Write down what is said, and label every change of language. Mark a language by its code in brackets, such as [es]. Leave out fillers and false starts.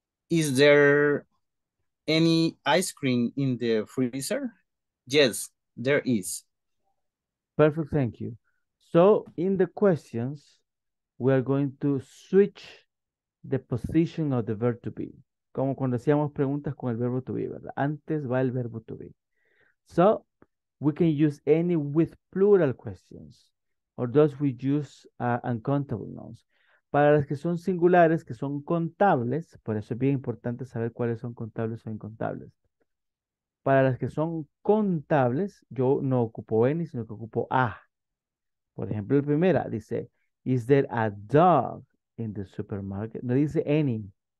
[en] Is there any ice cream in the freezer? Yes, there is. Perfect, thank you. So in the questions, we are going to switch the position of the verb to be. [es] Como cuando hacíamos preguntas con el verbo to be, ¿verdad? Antes va el verbo to be. [en] So we can use any with plural questions, or those we use uncountable nouns. [es] Para las que son singulares, que son contables, por eso es bien importante saber cuáles son contables o incontables. Para las que son contables, yo no ocupo any, sino que ocupo a. Por ejemplo, la primera dice, [en] is there a dog in the supermarket? [es] No dice any.